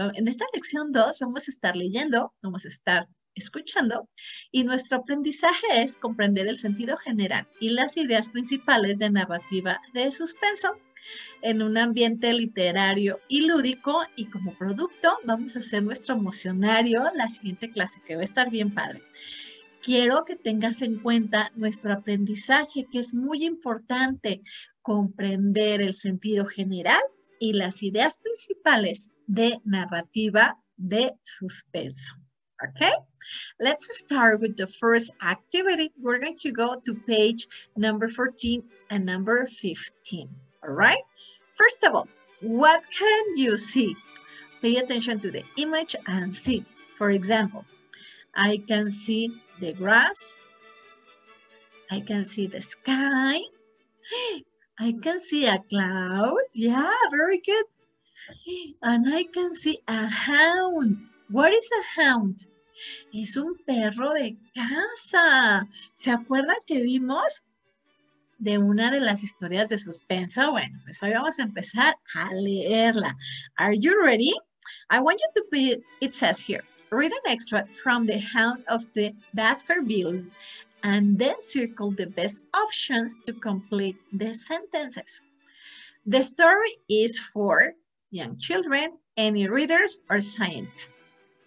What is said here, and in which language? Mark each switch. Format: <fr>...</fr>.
<es>En esta lección 2 vamos a estar leyendo, vamos a estar escuchando, y nuestro aprendizaje es comprender el sentido general y las ideas principales de narrativa de suspenso en un ambiente literario y lúdico, y como producto vamos a hacer nuestro mocionario la siguiente clase, que va a estar bien padre. Quiero que tengas en cuenta nuestro aprendizaje, que es muy importante comprender el sentido general y las ideas principales de narrativa de suspenso.</es> <en>Okay, let's start with the first activity. We're going to go to page number 14 and number 15. All right. First of all, what can you see? Pay attention to the image and see. For example, I can see the grass. I can see the sky. I can see a cloud. Yeah, very good. And I can see a hound. What is a hound?</en> <es>Es un perro de casa. ¿Se acuerda que vimos de una de las historias de suspenso? Bueno, pues hoy vamos a empezar a leerla.</es> <en>Are you ready? I want you to pay, it says here, read an extract from The Hound of the Baskervilles and then circle the best options to complete the sentences. The story is for young children, any readers or scientists.</en>